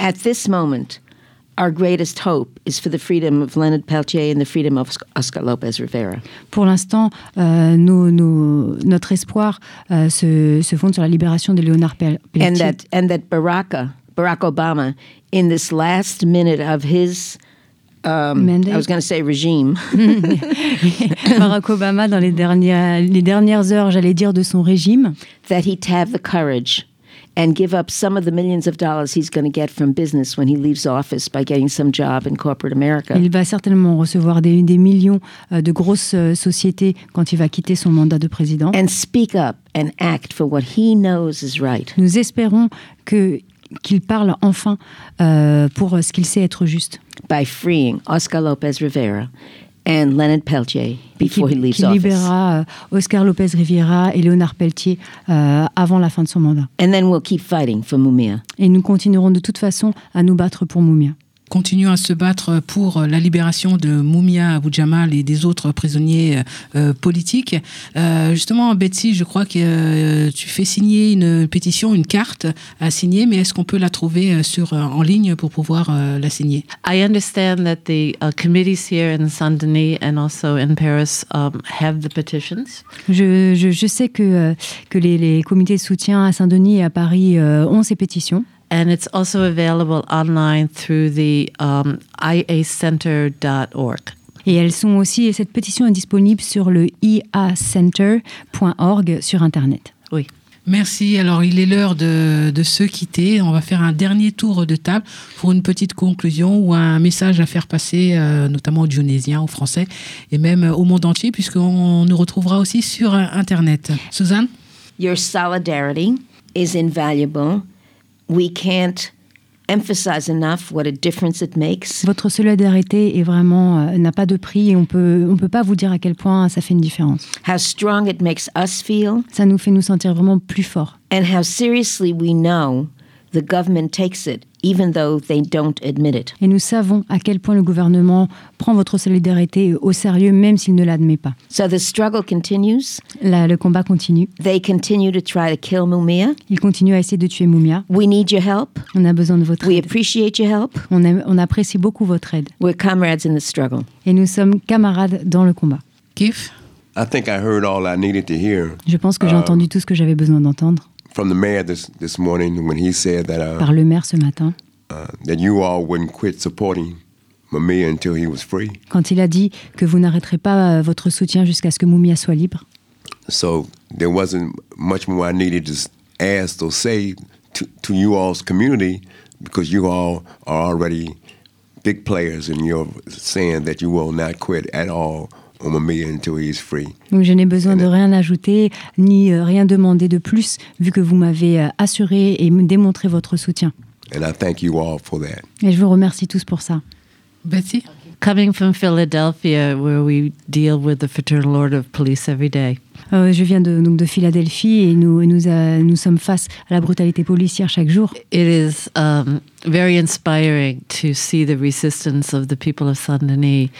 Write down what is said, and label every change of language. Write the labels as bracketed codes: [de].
[en] At this moment, our greatest hope is for the freedom of Leonard Peltier and the freedom of Oscar Lopez Rivera. [fr] Pour l'instant, notre espoir se fonde sur la libération de Leonard Peltier. [en] And that Barack Obama, in this last minute of his mandate. I was going to say regime. [fr] Barack Obama, dans les dernières heures, j'allais dire, de son régime. [en] That he'd have the courage and give up some of the millions of dollars he's going to get from business when he leaves office by getting some job in corporate America. [fr] Il va certainement recevoir des millions de grosses sociétés quand il va quitter son mandat de président. [en] And speak up and act for what he knows is right. [fr] Nous espérons qu'il parle enfin pour ce qu'il sait être juste. [en] By freeing Oscar Lopez Rivera and Leonard Peltier before he leaves office. [fr] Qui libérera Oscar Lopez Rivera et Leonard Peltier avant la fin de son mandat. [en] And then we'll keep fighting for Mumia. [fr] Et nous continuerons de toute façon à nous battre pour Mumia. Continuons à se battre pour la libération de Mumia Abu-Jamal et des autres prisonniers politiques. Justement, Betsy, je crois que tu fais signer une pétition, une carte à signer, mais est-ce qu'on peut la trouver en ligne pour pouvoir la signer? [en] I understand that the committees here in Saint-Denis and also in Paris have the petitions. [fr] Je sais que les comités de soutien à Saint-Denis et à Paris ont ces pétitions. [en] And it's also available online through the iacenter.org. [fr] Et elles sont aussi, et cette pétition est disponible sur le iacenter.org sur Internet. Oui. Merci. Alors, il est l'heure de se quitter. On va faire un dernier tour de table pour une petite conclusion ou un message à faire passer, notamment aux Dionysiens, aux Français et même au monde entier, puisqu'on nous retrouvera aussi sur Internet. Suzanne? [en] Your solidarity is invaluable. We can't emphasize enough what a difference it makes. [fr] Votre solidarité est vraiment n'a pas de prix et on peut pas vous dire à quel point ça fait une différence. [en] How strong it makes us feel. [fr] Ça nous fait nous sentir vraiment plus fort. [en] And how seriously we know the government takes it, even though they don't admit it. [fr] Et nous savons à quel point le gouvernement prend votre solidarité au sérieux, même s'il ne l'admet pas. [en] So the struggle continues. [fr] Le combat continue. [en] They continue to try to kill Mumia. [fr] Ils continuent à essayer de tuer Mumia. [en] We need your help. [fr] On a besoin de votre [en] We [fr] aide. [en] We appreciate your help. [fr] On apprécie beaucoup votre aide. [en] We're comrades in the struggle. [fr] Et nous sommes camarades dans le combat. Kif? [en] I think I heard all I needed to hear. [fr] Je pense que j'ai entendu tout ce que j'avais besoin d'entendre. [en] from the mayor this morning when he said that [fr] par le maire ce matin [en] that you all wouldn't quit supporting Mumia until he was free. [fr] Quand il a dit que vous n'arrêterez pas votre soutien jusqu'à ce que Mumia soit libre. [en] So there wasn't much more I needed to ask or say to you all's community because you all are already big players and you're saying that you will not quit at all on Mumia until he's free. [fr] Donc je n'ai besoin de rien ajouter ni rien demander de plus vu que vous m'avez assuré et démontré votre soutien. [en] And I thank you all for that. [fr] Et je vous remercie tous pour ça. Betsy? [en] Coming from Philadelphia, where we deal with the Fraternal Order of Police every day. [fr] Je viens de Philadelphie et nous sommes face à la brutalité policière chaque jour. [en] It is very inspiring to see the resistance of the people of Saint-Denis.